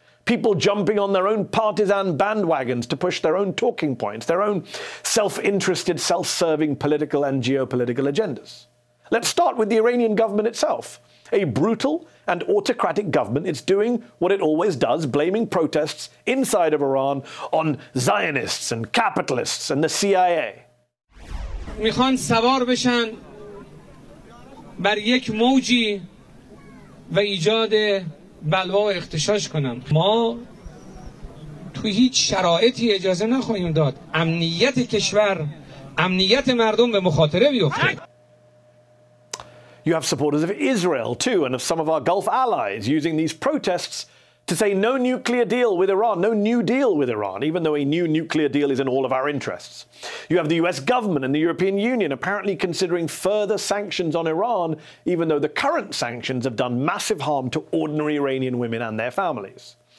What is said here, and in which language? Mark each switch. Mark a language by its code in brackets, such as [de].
[en] People jumping on their own partisan bandwagons to push their own talking points, their own self-interested, self-serving political and geopolitical agendas. Let's start with the Iranian government itself. A brutal and autocratic government, it's doing what it always does, blaming protests inside of Iran on Zionists and capitalists and the CIA. [fa] میخوان سوار بشن بر یک موجی و ایجاد بلوا و اختشاش کنن. ما تو هیچ شرایطی اجازه نخواهیم داد امنیت کشور امنیت مردم به مخاطره بیفته. [en] You have supporters of Israel, too, and of some of our Gulf allies using these protests to say no nuclear deal with Iran, no new deal with Iran, even though a new nuclear deal is in all of our interests. You have the US government and the European Union apparently considering further sanctions on Iran, even though the current sanctions have done massive harm to ordinary Iranian women and their families.